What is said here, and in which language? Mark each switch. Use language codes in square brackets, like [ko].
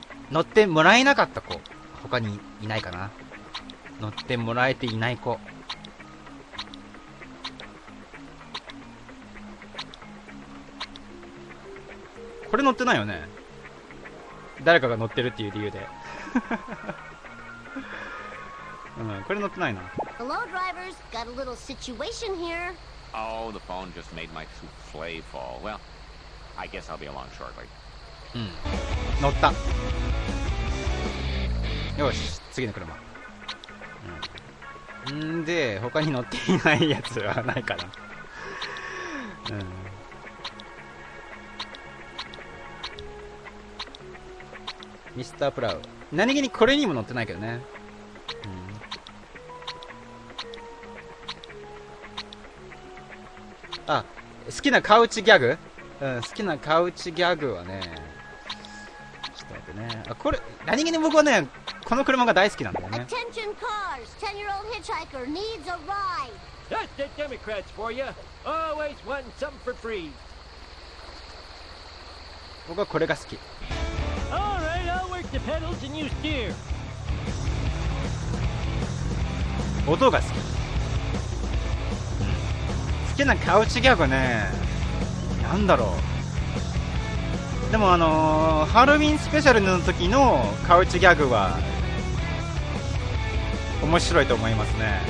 [ja] 乗ってもらえなかった子、他にいないかな。乗ってもらえていない子。これ乗ってないよね、誰かが乗ってるっていう理由で、うん、これ乗ってないな。 [en] Hello, drivers. Got a little situation here. Oh, the phone just made my souffle fall. Well, I guess I'll be along shortly. [ja] うん、乗った。よし、次の車。うん、で、他に乗っていないやつはないかな。うん。ミスタープラウ。何気にこれにも乗ってないけどね。あ、好きなカウチギャグ？うん、好きなカウチギャグはね、ちょっと待ってね。あ、これ、何気に僕はね、この車が大好きなんだよね。 [en] Attention cars! 10-year-old hitchhiker needs a ride! That's the Democrats for you! Always want some for free! [ja] 僕はこれが好き。 [en] Alright, I'll work the pedals and you steer! [ja] 音が好き。好きなカウチギャグね、なんだろう、でもハロウィンスペシャルの時のカウチギャグは面白いと思いますね。